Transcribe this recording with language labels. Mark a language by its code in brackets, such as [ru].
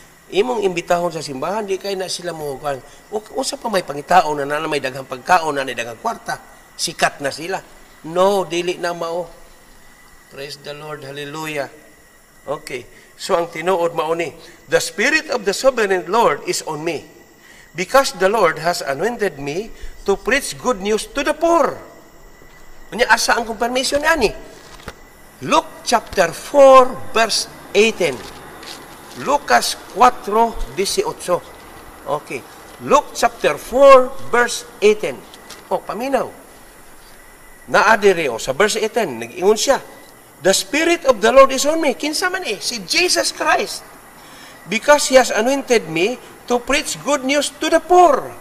[ceb] Imong imbitahon sa simbahan, di kay na sila mukuhan. Usa pa may pangitaon na nalang may daghang pagkaon na daghang kwarta. Sikat na sila. No, dili na mao. [en] Praise the Lord, hallelujah. Okay, so [ceb] ang tinuod mauni, [en] the Spirit of the Sovereign Lord is on me, because the Lord has anointed me to preach good news to the poor. [ceb] Unya asa ang confirmation ani? [en] Luke chapter 4 verse 18, Lucas 4:18. Okay, Luke chapter 4 verse 18. [ceb] Oh, paminaw. Naadire o sa verse 18, nag-ingon siya. [en] The Spirit of the Lord is on me. [ceb] Kinsa man eh? [en] Si Jesus Christ. Because He has anointed me to preach good news to the poor.